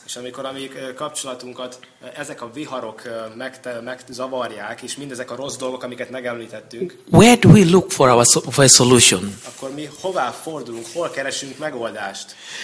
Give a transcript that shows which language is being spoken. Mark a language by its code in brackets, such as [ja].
[hu] És amikor a mi kapcsolatunkat ezek a viharok megzavarják, és mindezek a rossz dolgok, amiket megemlítettünk. [en] Where do we look for our for a solution? [hu] Akkor mi hová fordulunk, hol keresünk megoldást?